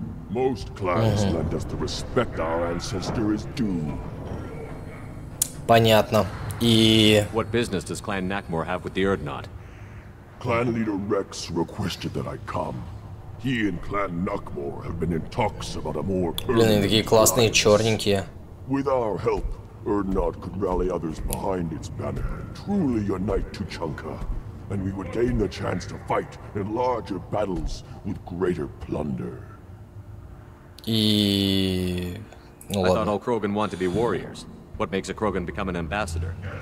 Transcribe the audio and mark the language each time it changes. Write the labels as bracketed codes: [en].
[en] Most clans lend us the respect our ancestor is due. [ru] Понятно. И... [en] What business does Clan Nakmor have with the Erdnot? Clan leader Rex requested that I come. He and Clan Nakmor have been in talks about a more... [ru] Блин, они такие классные, черненькие. [en] With our help, Erdnot could rally others behind its banner and truly unite Tuchanka. And we would gain the chance to fight in larger battles with greater plunder. [ru] И... Ну, ладно. [en] I thought all Krogan want to be warriors. What makes a Krogan become an ambassador?